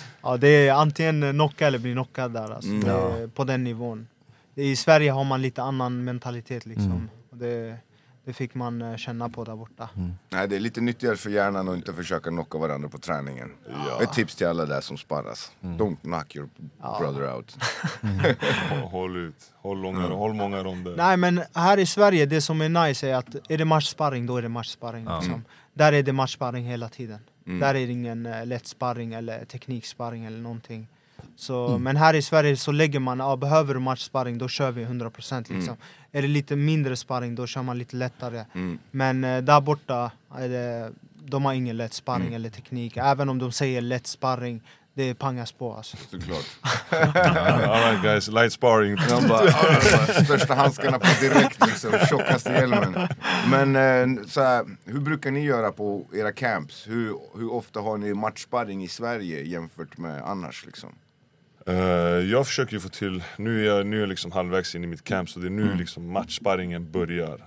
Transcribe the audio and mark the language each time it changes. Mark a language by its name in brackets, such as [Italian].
[Swedish] Ja, det är antingen knocka eller bli knockad där. Alltså. Mm. Det är på den nivån. I Sverige har man lite annan mentalitet. Liksom. Mm. Och det fick man känna på där borta. Mm. Nej, det är lite nyttigare för hjärnan att inte försöka knocka varandra på träningen. Ja. Ett tips till alla där som sparras. Mm. [English] Don't knock your brother out. [Swedish] Håll ut. Håll långa, håll många ronder. Nej, men här i Sverige, det som är nice är att är det matchsparring, då är det matchsparring. Liksom. Mm. Där är det matchsparring hela tiden. Mm. Där är det ingen lätt sparring eller tekniksparring eller någonting. Så, men här i Sverige så lägger man, behöver du matchsparring, då kör vi 100%. Liksom. Mm. Är det lite mindre sparring, då kör man lite lättare. Mm. Men där borta, de har ingen lätt sparring eller teknik. Även om de säger lätt sparring, det pangas på. Alltså. Såklart. [English] All right guys, light sparring. [Swedish] Största handskarna på direkt, liksom, tjockaste hjälmen. Men så här, hur brukar ni göra på era camps? Hur ofta har ni matchsparring i Sverige jämfört med annars? Liksom? Jag försöker ju få till, nu är jag liksom halvvägs in i mitt camp, så det är nu liksom matchsparringen börjar.